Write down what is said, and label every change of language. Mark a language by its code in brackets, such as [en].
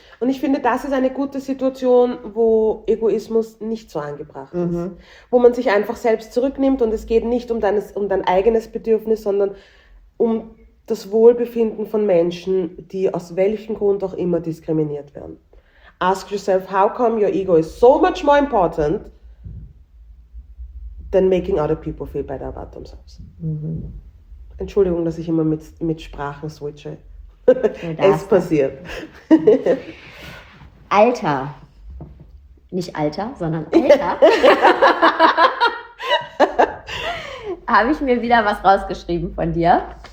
[de] Und ich finde, das ist eine gute Situation, wo Egoismus nicht so angebracht, mhm, ist. Wo man sich einfach selbst zurücknimmt und es geht nicht um dein eigenes Bedürfnis, sondern um das Wohlbefinden von Menschen, die aus welchem Grund auch immer diskriminiert werden. [en] Ask yourself, how come your ego is so much more important than making other people feel better about themselves? Mhm. [de] Entschuldigung, dass ich immer mit Sprachen switche. Es passiert. Alter. Nicht Alter, sondern Alter. Habe ich mir wieder was rausgeschrieben von dir.